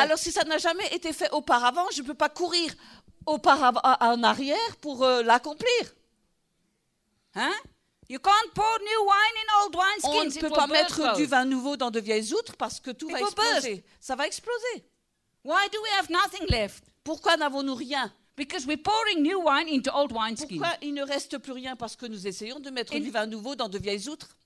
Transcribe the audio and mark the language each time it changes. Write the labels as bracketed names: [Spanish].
[French] Alors si ça n'a jamais été fait auparavant, je ne peux pas courir en arrière pour l'accomplir. Hein? [English] You can't pour new wine in old wine skins. [French] On ne peut pas mettre du vin nouveau dans de vieilles outres parce que tout va exploser. Ça va exploser. [English] Why do we have nothing left? [French] Pourquoi n'avons-nous rien? [English] Because we're pouring new wine into old wineskins. [French] Pourquoi il ne reste plus rien parce que nous essayons de mettre du vin nouveau dans de vieilles outres?